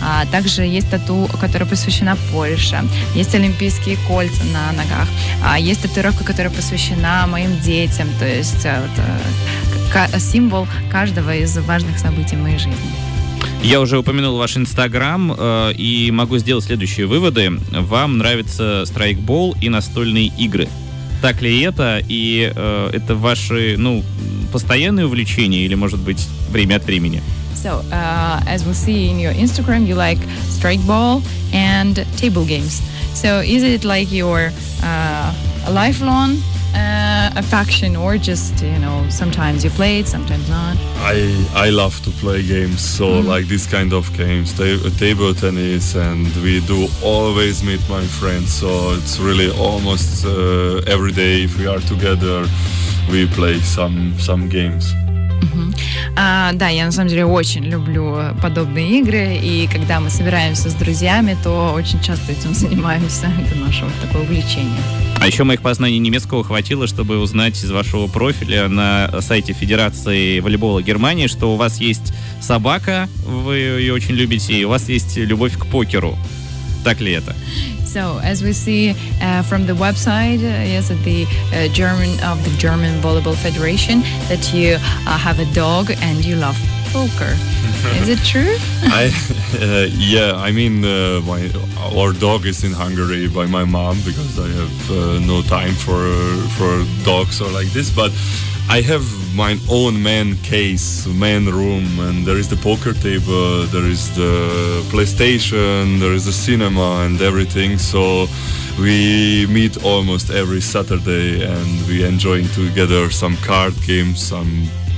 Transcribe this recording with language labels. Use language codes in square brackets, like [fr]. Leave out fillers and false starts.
[ru] Также есть тату, которая посвящена Польше, есть олимпийские кольца на ногах, есть татуировка, которая посвящена моим детям, то есть это символ каждого из важных событий в моей жизни. Я уже упомянул ваш Инстаграм, и могу сделать следующие выводы. Вам нравится страйкбол и настольные игры. Так ли это? И это ваши, ну, постоянные увлечения или, может быть, время от времени? [en] So, as we see in your Instagram, you like strikeball and table games. So, is it like your lifelong a faction or just, you know, sometimes you play it, sometimes not? I love to play games, so like this kind of games, table tennis, and we do always meet my friends, so it's really almost every day if we are together, we play some games. [ru] Да, я на самом деле очень люблю подобные игры, и когда мы собираемся с друзьями, то очень часто этим занимаемся, это наше вот такое увлечение. А еще моих познаний немецкого хватило, чтобы узнать из вашего профиля на сайте Федерации волейбола Германии, что у вас есть собака, вы ее очень любите, и у вас есть любовь к покеру. Так ли это? [en] So, as we see from the website, yes, at the German Volleyball Federation, that you have a dog and you love poker. Is it true? Our dog is in Hungary by my mom because I have no time for dogs or like this, but I have my own man case, man room, and there is the poker table, there is the PlayStation, there is the cinema and everything, so we meet almost every Saturday and we enjoy together some card games, some